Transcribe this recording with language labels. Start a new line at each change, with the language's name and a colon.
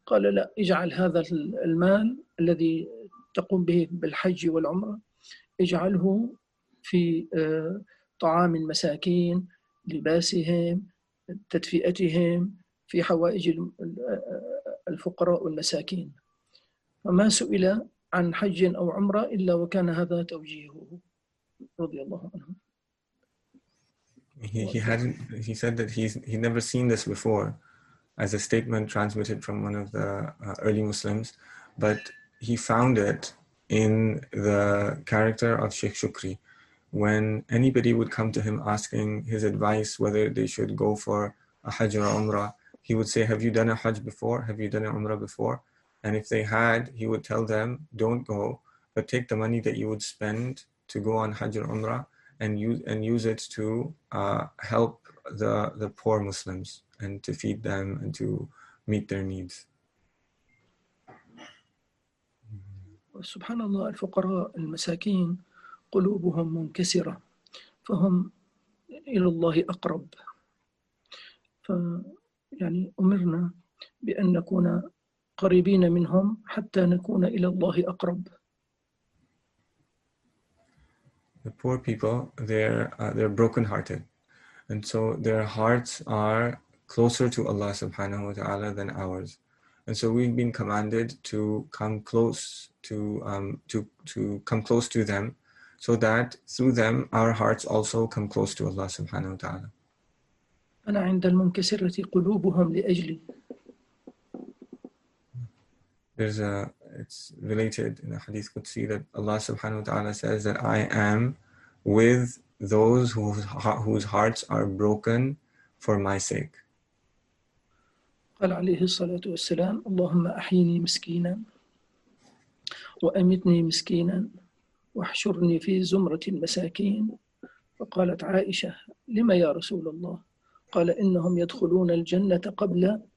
Arabic: قال: لا، اجعل هذا المال الذي تقوم به بالحج والعمرة، اجعله في طعام المساكين، لباسهم، تدفئتهم، في حوائج الفقراء والمساكين. فما سئل عن حج أو عمرة إلا وكان هذا توجيهه رضي الله عنه.
English: He never seen this before as a statement transmitted from one of the early Muslims, but he found it in the character of Sheikh Shukri. When anybody would come to him asking his advice whether they should go for a Hajj or Umrah, he would say, "Have you done a Hajj before? Have you done an Umrah before?" And if they had, he would tell them, "Don't go, but take the money that you would spend to go on Hajj or Umrah and use it to help the poor Muslims and to feed them and to meet their needs."
Arabic: سبحان الله، الفقراء المساكين قلوبهم منكسرة، فهم إلى الله أقرب. فيعني أمرنا بأن نكون قريبين منهم حتى نكون إلى الله أقرب.
English: The poor people, they're broken-hearted, and so their hearts are closer to Allah subhanahu wa ta'ala than ours. And so we've been commanded to come close to come close to them, so that through them our hearts also come close to Allah subhanahu wa ta'ala.
Arabic: أنا عند المنكسرة قلوبهم لأجلي.
English: There's a it's related in a hadith Qudsi that Allah subhanahu wa ta'ala says that I am with those whose hearts are broken for my sake.
Arabic: قال عليه الصلاة والسلام: اللهم أحيني مسكينا، وأمتني مسكينا، واحشرني في زمرة المساكين. فقالت عائشة: لما يا رسول الله؟ قال: إنهم يدخلون الجنة قبل